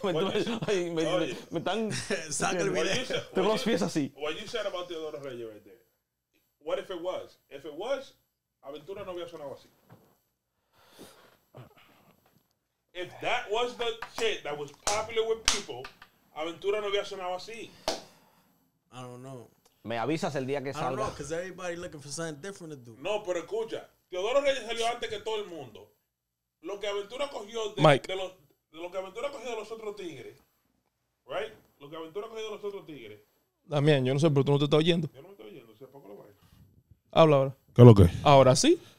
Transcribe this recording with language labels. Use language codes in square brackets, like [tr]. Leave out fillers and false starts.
[en] What you said about Teodoro Reyes right there. What if it was? If it was, [es] Aventura no había sonado así. [en] If that was the shit that was popular with people, Aventura [es] no había sonado así. [en] I don't know. [es] Me avisas el día que salga. [en] I don't know, because everybody looking for something different to do. [es] No, pero escucha. Teodoro Reyes salió antes que todo el mundo. Lo que Aventura cogió de los otros tigres. Damián, yo no sé, pero tú no te estás oyendo. Yo no me estoy oyendo, si a poco lo vaina. Habla ahora. ¿Qué es lo que? Ahora sí.